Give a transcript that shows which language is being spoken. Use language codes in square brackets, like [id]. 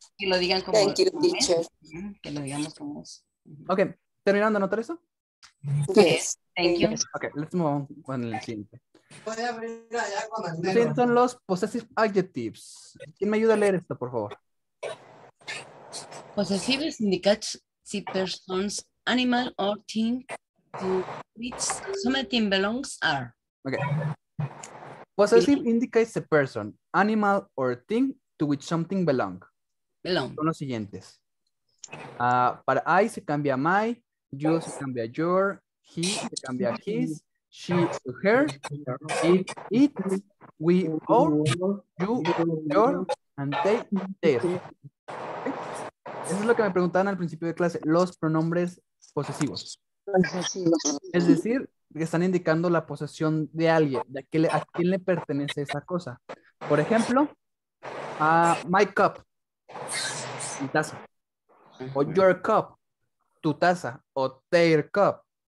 [es] Que lo digan como... [en] Thank you, teacher. [es] Que lo digamos como... Ok, ¿terminando de anotar eso? [en] Yes. Thank you. Okay, let's move on [es] con el siguiente. Voy a abrir allá con el negro. Son los possessive adjectives. ¿Quién me ayuda a leer esto, por favor? [en] Possessive indicates the person's animal or thing to which something belongs are. Okay. Possessive indicates the person, animal or thing to which something belong. [es] Son los siguientes. Para I se cambia my, you se cambia your. [en] He [es] se cambia [en] his, she to her, it, we, all, you, your, and they, their. [es] ¿Okay? Eso es lo que me preguntaban al principio de clase, los pronombres posesivos. Es decir, que están indicando la posesión de alguien, a quién le pertenece esa cosa. Por ejemplo, [en] my cup, [es] mi taza, o [en] your cup, [es] tu taza, o [en] their cup.